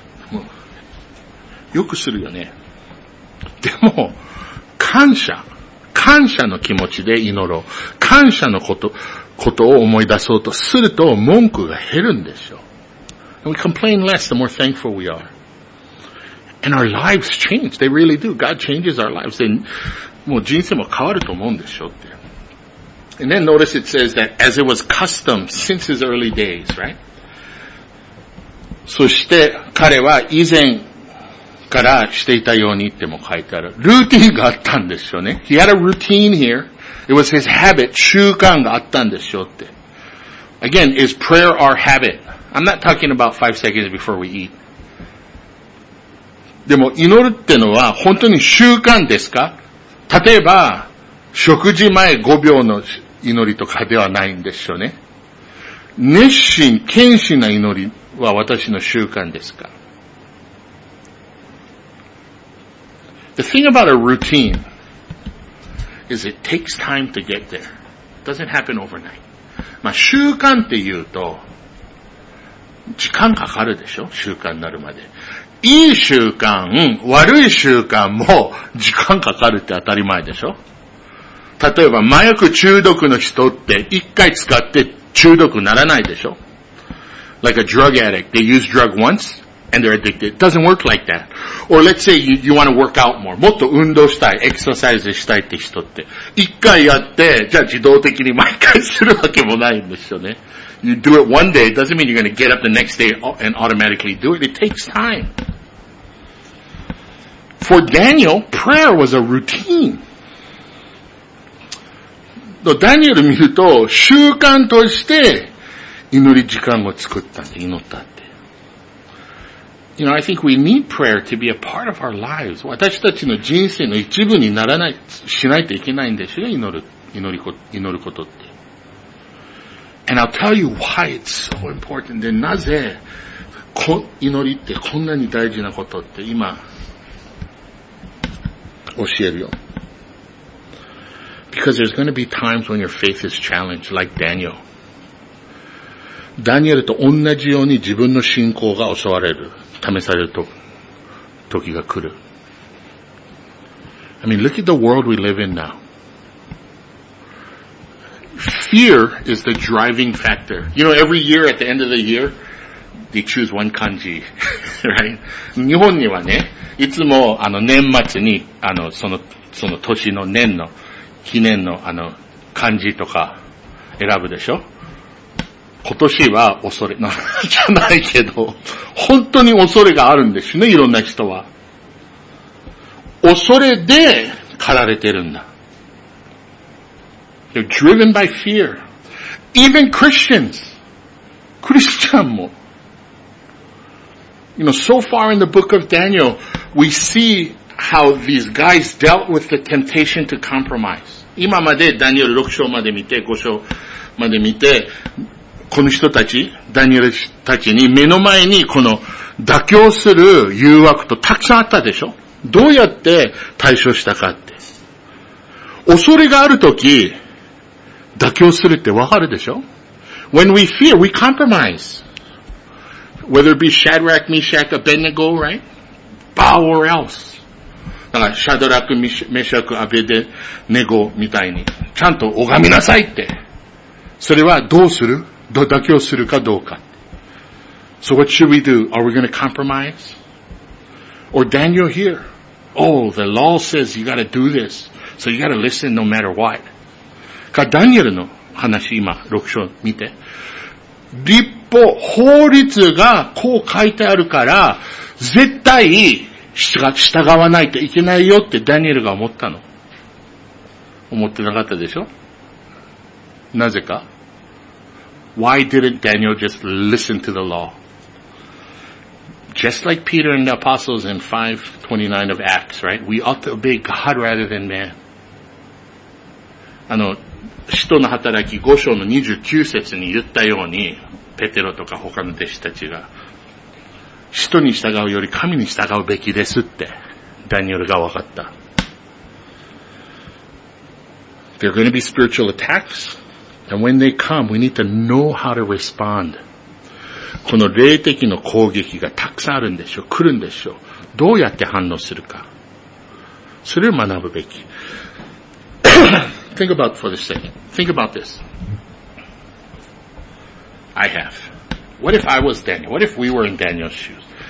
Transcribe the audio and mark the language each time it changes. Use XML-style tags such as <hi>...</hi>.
<ja>もうよくするよね。でも、感謝の気持ちで祈ろう。感謝のことを思い出そうとすると、文句が減るんですよ。</ja> <en>We complain less, the more thankful we are. And our lives change. They really do. God changes our lives. Then,</en> <ja>もう人生も変わると思うんでしょうって。</ja> <en>And then notice it says that as it was custom since his early days, right?</en> <ja>そして彼は以前からしていたようにっても書いてある。ルーティンがあったんですよね。</ja> <en>He had a routine here. It was his habit,</en> <ja>習慣があったんでしょうって。</ja> <en>Again, is prayer our habit? I'm not talking about 5 seconds before we eat.</en> <ja>でも祈るってのは本当に習慣ですか?例えば食事前5秒の祈りとかではないんでしょうね。熱心、献身な祈りは私の習慣ですか。</ja> <en>The thing about a routine is it takes time to get there. It doesn't happen overnight.</en> <ja>まあ習慣って言うと時間かかるでしょ。習慣になるまで。いい習慣、悪い習慣も時間かかるって当たり前でしょ? 例えば麻薬中毒の人って一回使って中毒ならないでしょ?</ja> <en>Like a drug addict, they use drug once and they're addicted. It doesn't work like that. Or let's say you want to work out more.</en> <ja>もっと運動したい、エクササイズしたいって人って一回やって、じゃあ自動的に毎回するわけもないんですよね。</ja> <en>You do it one day, it doesn't mean you're going to get up the next day and automatically do it. It takes time. For Daniel, prayer was a routine.</en> <ja>とダニエル見ると習慣として祈り時間を作ったって祈ったって。</ja> <en>You know, I think we need prayer to be a part of our lives.</en> <ja>私たちの人生の一部にならない、しないといけないんですよ、祈ることって。</ja> <en>And I'll tell you why it's so important.</en> <ja>で、なぜ、祈りってこんなに大事なことって今、教えるよ。</ja> <en>Because there's going to be times when your faith is challenged, like Daniel.</en> <ja>ダニエルと同じように自分の信仰が襲われる、試されると時が来る。</ja> <en>I mean, look at the world we live in now. Fear is the driving factor. You know, every year at the end of the year, they choose one kanji, right?</en> <ja>日本にはね、いつも年末にその年の年の記念の漢字とか選ぶでしょ。今年は恐れ、じゃないけど、本当に恐れがあるんですね、いろんな人は。恐れで駆られてるんだ。</ja> <en>They're driven by fear. Even Christians.</en> <ja>クリスチャンも。</ja> <en>You know, so far in the book of Daniel, we see how these guys dealt with the temptation to compromise.</en> <ja>今までダニエル6章まで見て、5章まで見て、この人たち、ダニエルたちに目の前にこの妥協する誘惑とたくさんあったでしょ。どうやって対処したかって。恐れがあるとき、妥協するってわかるでしょ?</ja> <en>When we fear, we compromise. Whether it be Shadrach, Meshach, Abednego, right? Bow or else.</en> <ja>だから、シャドラク、メシャク、アベデ、ネゴみたいに、ちゃんと拝みなさいって。それはどうする?妥協するかどうか。</ja> <en>So what should we do? Are we going to compromise? Or Daniel here. Oh, the law says you gotta do this. So you gotta listen no matter what.</en> <ja>か、ダニエルの話今、6章見て。立法、法律がこう書いてあるから、絶対従わないといけないよってダニエルが思ったの。思ってなかったでしょ? なぜか?</ja> <en>Why didn't Daniel just listen to the law? Just like Peter and the apostles in 5:29 of Acts, right? We ought to obey God rather than man.</en> <ja>使徒の働き5章の29節に言ったように、ペテロとか他の弟子たちが、使徒に従うより神に従うべきですって、ダニエルが分かった。 There are going to be spiritual attacks, and when they come, we need to know how to respond. この霊的な攻撃がたくさんあるんでしょう。来るんでしょう。どうやって反応するか。それを学ぶべき。</ja> <en>Think about for this second. Think about this. I have. What if I was Daniel? What if we were in Daniel's shoes?</en>